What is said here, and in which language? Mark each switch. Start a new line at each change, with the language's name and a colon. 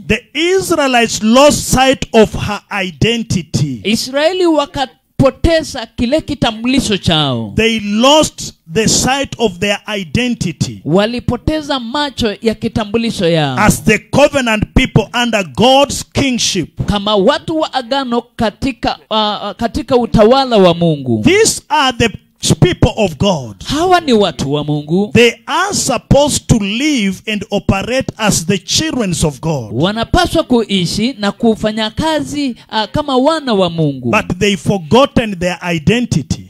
English: the Israelites lost sight of her identity.
Swahili: Israeli wakapoteza kile kitambulisho chao.
English: They lost the sight of their identity.
Swahili: Walipoteza macho ya kitambulisho yao.
English: As the covenant people under God's kingship.
Swahili: Kama watu wa agano katika utawala wa Mungu.
English: These are the people of God.
Swahili: Hawa ni watu wa Mungu.
English: They are supposed to live and operate as the children of God.
Swahili: Wanapaswa kuishi na kufanya kazi kama wana wa Mungu.
English: But they forgotten their identity.